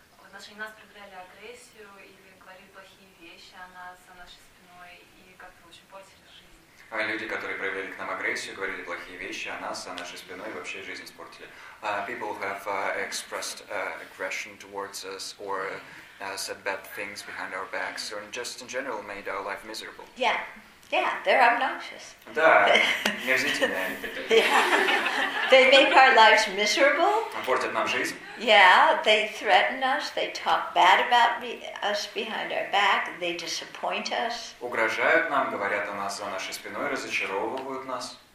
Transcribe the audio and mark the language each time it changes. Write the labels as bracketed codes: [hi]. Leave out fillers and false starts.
[ru] Значит, нас проявляли агрессию или говорили плохие вещи о нас, о нашей спиной, и как-то очень портили жизнь. Люди, которые проявляли к нам агрессию, говорили плохие вещи о нас, о нашей спиной, вообще жизнь испортили. [en] People have expressed aggression towards us or said bad things behind our backs, or just in general made our life miserable. Yeah, they're obnoxious. [ru] Да, мерзительные они. [en] They make our lives miserable. [ru] Портят нам жизнь. [en] Yeah, they threaten us, they talk bad about us behind our back, they disappoint us. [ru] Угрожают нам, говорят о нас за нашей спиной, разочаровывают нас.